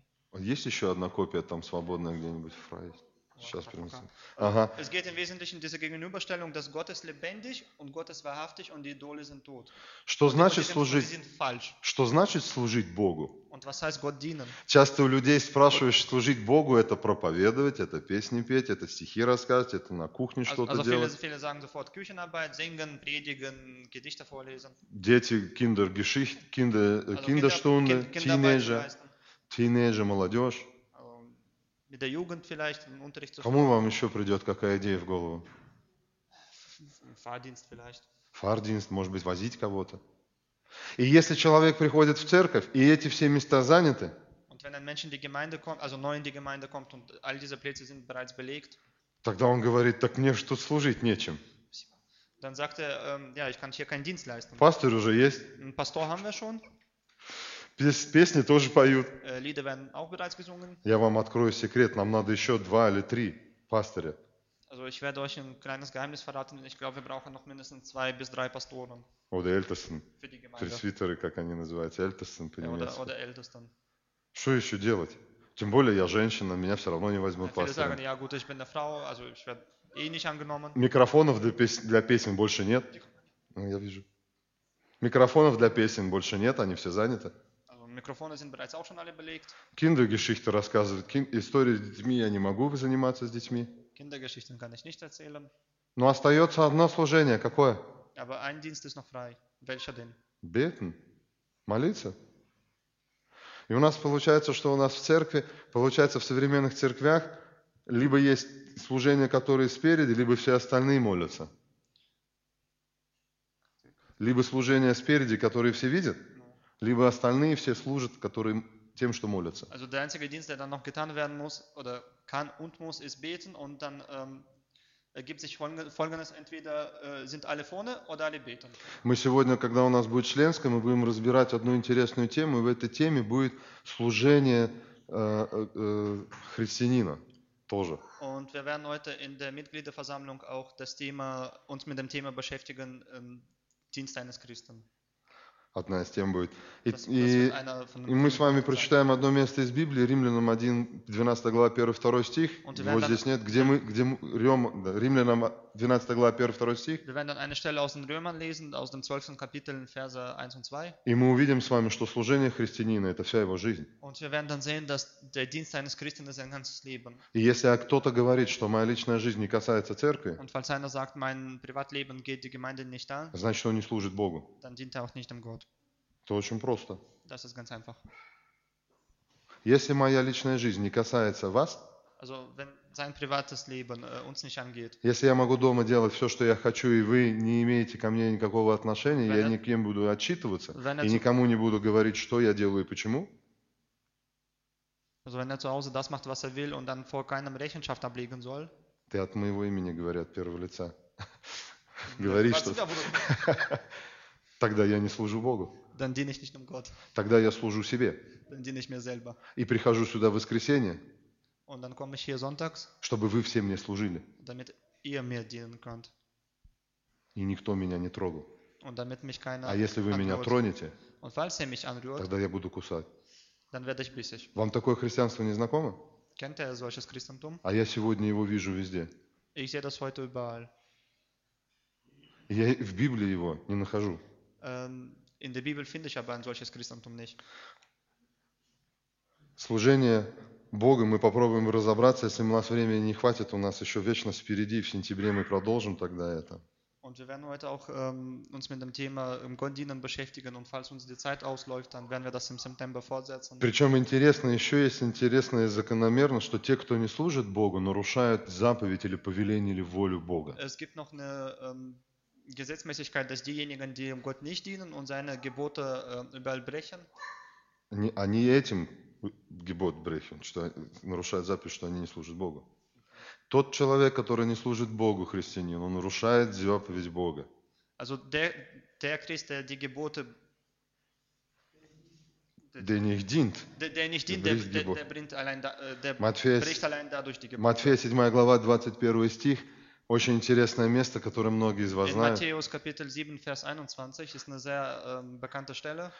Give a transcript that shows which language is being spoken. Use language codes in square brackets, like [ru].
[de] Und [ru] есть еще одна копия там свободная где-нибудь фраза? Сейчас принесу. Ага. [de] Es geht im Wesentlichen diese Gegenüberstellung, dass Gott ist lebendig und Gott ist wahrhaftig und die Idole sind tot. [ru] Что значит служить? Что значит служить Богу? [de] Und was heißt Gott dienen? [ru] Часто у людей спрашиваешь, служить Богу – это проповедовать, это песни петь, это стихи рассказывать, это на кухне что-то делать. [de] Also viele sagen sofort Küchenarbeit, singen, predigen, Gedichte vorlesen. [ru] Дети, Kinderstunde, Teenager, молодежь. [de] Mit der Jugend vielleicht im Unterricht zu [ru] Кому вам еще придет какая идея в голову? [de] Fahrdienst vielleicht. [ru] Fahrdienst, может быть, возить кого-то. И если человек приходит в церковь, и эти все места заняты, [de] und wenn ein Mensch in die Gemeinde kommt, also neu in die Gemeinde kommt und all diese Plätze sind bereits belegt, [ru] тогда он говорит, так мне что служить нечем. [de] Dann sagt er, ja, ich kann hier keinen Dienst leisten. [ru] Пастор уже есть. [de] Pastor haben wir schon. [ru] Песни тоже поют. [de] Lieder werden auch bereits gesungen. [ru] Я вам открою секрет, нам надо еще два или три пастыря. [de] Also ich werde euch ein kleines Geheimnis verraten, ich glaube, wir brauchen noch mindestens zwei bis drei Pastoren. Oder Ältesten. [ru] Пресвитеры, как они называются, Ältesten по-немецки. [de] Oder Ältesten. [ru] Что еще делать? Тем более я женщина, меня все равно не возьмут пастырем. [de] Viele sagen, ja gut, ich bin eine Frau, also ich werde eh nicht angenommen. [ru] Микрофонов для песен больше нет. Я вижу. Микрофонов для песен больше нет, они все заняты. [de] Микрофоны sind bereits auch schon alle belegt. [ru] Kindergeschichte рассказывают. Истории с детьми я не могу заниматься с детьми. [de] Kindergeschichten kann ich nicht erzählen. [ru] Но остается одно служение. Какое? [de] Aber ein Dienst ist noch frei. Welcher denn? Beten. [ru] Молиться. И у нас получается, что у нас в церкви, получается в современных церквях, либо есть служение, которое спереди, либо все остальные молятся. Либо служение спереди, которое все видят, либо остальные все служат, которые тем, что молятся. [de] Also der einzige Dienst, der dann noch getan werden muss oder kann und muss, ist beten und dann ergibt sich folgendes: entweder sind alle vorne oder alle beten. [ru] Мы сегодня, когда у нас будет членское, мы будем разбирать одну интересную тему, и в этой теме будет служение христианина тоже. [de] Und wir werden heute in der Mitgliederversammlung auch das Thema uns mit dem Thema beschäftigen Dienst eines Christen. [ru] Одна из тем будет. И мы с вами прочитаем одно место из Библии, Римлянам 1, 12 глава, 1, 2 стих. Его здесь нет. Римлянам 12 глава, 1, 2 стих. [de] Wir werden dann eine Stelle aus den Römern lesen, aus dem 12. Kapitel, Verse 1 und 2. [ru] И мы увидим с вами, что служение христианина – это вся его жизнь. [de] Und wir werden dann sehen, dass der Dienst eines Christen ist sein ganzes Leben. [ru] И если кто-то говорит, что моя личная жизнь не касается церкви, [de] und falls einer sagt, mein Privatleben geht die Gemeinde nicht an, [ru] значит, он не служит Богу. [de] Dann dient er auch nicht dem Gott. [ru] Это очень просто. [de] Das ist ganz einfach. [ru] Если моя личная жизнь не касается вас, [de] also, wenn sein privates Leben, uns nicht angeht, [ru] если я могу дома делать все, что я хочу, и вы не имеете ко мне никакого отношения, я никем буду отчитываться и никому не буду говорить, что я делаю и почему, [de] also, wenn er zu Hause das macht, was er will, und dann vor keinem Rechenschaft ablegen soll, [ru] ты от моего имени говори от первого лица. Говори, что... Тогда я не служу Богу. [de] Dann diene ich nicht dem Gott. [ru] Тогда я служу себе. [de] Dann diene ich mir selber. [ru] И прихожу сюда в воскресенье. [de] Und dann komme ich hier sonntags, [ru] чтобы вы все мне служили. [de] Damit ihr mir dienen könnt. [ru] И никто меня не трогал. [de] Und damit mich keiner [ru] а если вы меня тронете, [de] und falls ihr mich anrührt, [ru] тогда я буду кусать. [de] Dann werde ich bissig. [ru] Вам такое христианство не знакомо? [de] Kennt ihr solches Christentum? [ru] А я сегодня его вижу везде. [de] Ich sehe das heute überall. [ru] Я в Библии его не нахожу. [de] In der Bibel finde ich aber ein solches Christentum nicht. [ru] Служение Богу мы попробуем разобраться, если у нас времени не хватит, у нас еще вечность впереди, в сентябре мы продолжим тогда это. [de] Und wir werden heute auch uns mit dem Thema Gott dienen beschäftigen und falls uns die Zeit ausläuft, dann werden wir das im September fortsetzen. [ru] Причем интересно, еще есть интересная закономерность, что те, кто не служит Богу, нарушают заповедь или повеление или волю Бога. [de] Es gibt noch eine Gesetzmäßigkeit, dass diejenigen, die Gott nicht dienen und seine Gebote überall brechen, [ru] они этим [de] Gebot brechen, [ru] что нарушают заповедь, что они не служат Богу. Тот человек, который не служит Богу, христианин, он нарушает заповедь Бога. [de] Also der Christ, der die Gebote der nicht dient, der bricht allein dadurch die Gebote. [ru] Матфея 7 глава, 21 стих. Очень интересное место, которое многие из вас знают. [de] In Matthäus Kapitel 7, Vers 21 ist eine sehr bekannte Stelle.